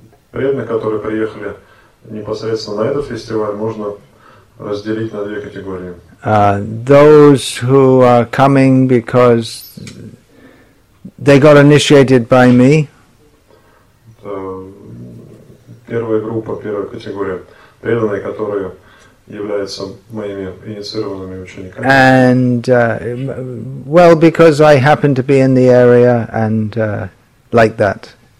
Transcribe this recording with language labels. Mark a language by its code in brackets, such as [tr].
[ru] Преданных, которые приехали непосредственно на этот фестиваль, можно разделить на две категории. [en] Those who are coming because they got initiated by me. [ru] Это первая группа, первая категория. Преданные, которые являются моими инициированными учениками. [en] And, well, because I happen to be in the area and like that.